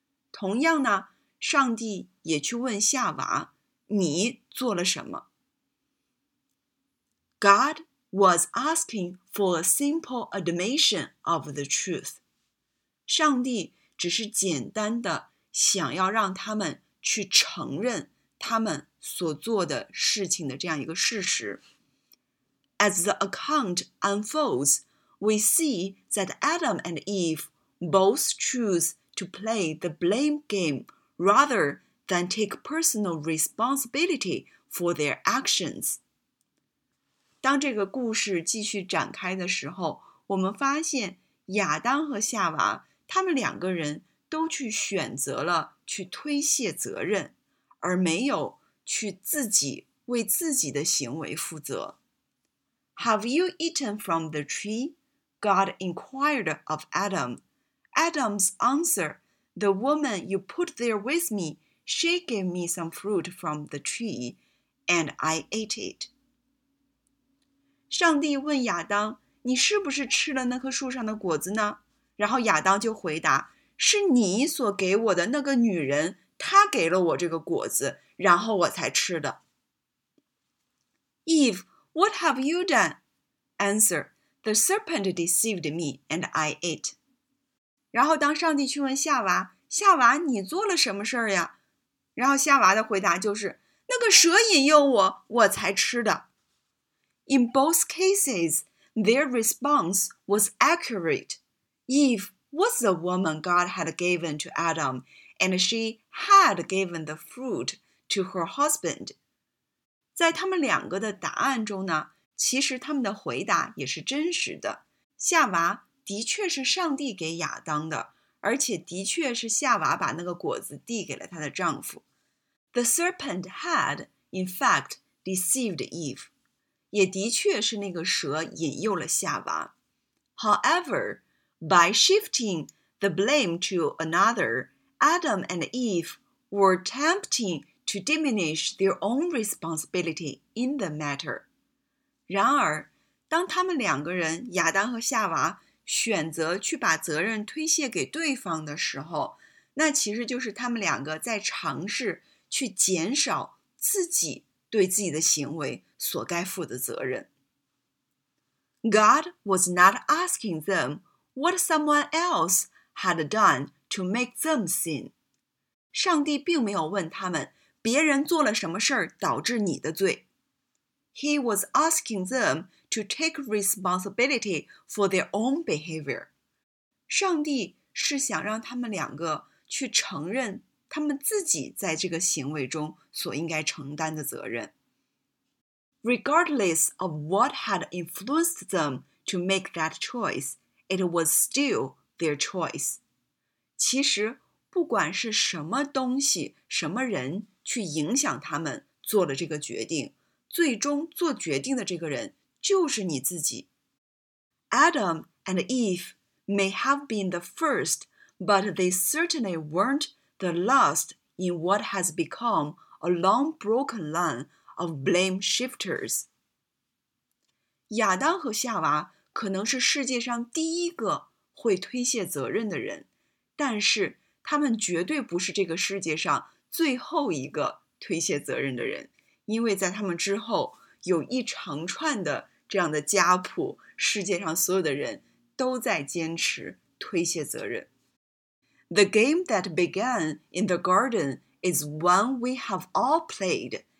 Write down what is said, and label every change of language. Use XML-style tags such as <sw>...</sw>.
<zh>同样呢，上帝也去问夏娃，你做了什么？</zh> <en>God. Was asking for a simple admission of the truth.</en> <zh>上帝只是简单的想要让他们去承认他们所做的事情的这样一个事实。</zh> <en>As the account unfolds, we see that Adam and Eve both choose to play the blame game rather than take personal responsibility for their actions.</en> <zh>当这个故事继续展开的时候，我们发现亚当和夏娃他们两个人都去选择了去推卸责任，而没有去自己为自己的行为负责。</zh> <en>Have you eaten from the tree? God inquired of Adam. Adam's answer, the woman you put there with me, she gave me some fruit from the tree, and I ate it.</en> <zh>上帝问亚当，你是不是吃了那棵树上的果子呢？然后亚当就回答，是你所给我的那个女人，她给了我这个果子，然后我才吃的。</zh> <en>Eve, what have you done? Answer, the serpent deceived me, and I ate.</en> <zh>然后当上帝去问夏娃，夏娃，你做了什么事儿呀？然后夏娃的回答就是，那个蛇引诱我，我才吃的。</zh> <en>In both cases, their response was accurate. Eve was the woman God had given to Adam, and she had given the fruit to her husband.</en> <zh>在他们两个的答案中呢，其实他们的回答也是真实的。夏娃的确是上帝给亚当的，而且的确是夏娃把那个果子递给了她的丈夫。</zh> <en>The serpent had, in fact, deceived Eve.</en> <zh>也的确是那个蛇引诱了夏娃。</zh> <en>However, by shifting the blame to another, Adam and Eve were tempting to diminish their own responsibility in the matter.</en> <zh>然而，当他们两个人，亚当和夏娃，选择去把责任推卸给对方的时候，那其实就是他们两个在尝试去减少自己对自己的行为所该负的责任。</zh> <en>God was not asking them what someone else had done to make them sin.</en> <zh>上帝并没有问他们别人做了什么事儿导致你的罪。</zh> <en>He was asking them to take responsibility for their own behavior.</en> <zh>上帝是想让他们两个去承认他们自己在这个行为中所应该承担的责任。</zh> <en>Regardless of what had influenced them to make that choice, it was still their choice.</en> <zh>其实不管是什么东西、什么人去影响他们做了这个决定，最终做决定的这个人就是你自己。</zh> <en>Adam and Eve may have been the first, but they certainly weren't the last in what has become a long broken line of blame shifters.</en> <zh>亚当和夏娃可能是世界上第一个会推卸责任的人，但是他们绝对不是这个世界上最后一个推卸责任的人。因为在他们之后有一长串的这样的家谱，世界上所有的人都在坚持推卸责任。</zh> <en>The game that began in the garden is one we have all played.</en>